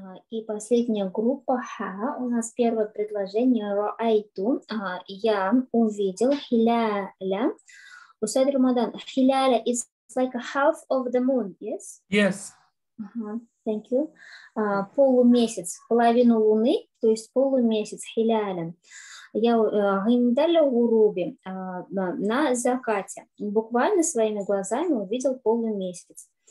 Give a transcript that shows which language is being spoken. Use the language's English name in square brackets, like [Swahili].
[Russian] И последняя группа ха, у нас первое предложение ra'aytu, я увидел хиляля. [English] У Садри Мадан, хиляля is like a half of the moon, yes? Yes. Thank you. [Russian] Полумесяц, половину луны, то есть полумесяц, хиляля. Я гиндаля уруби, на закате, буквально своими глазами увидел полумесяц.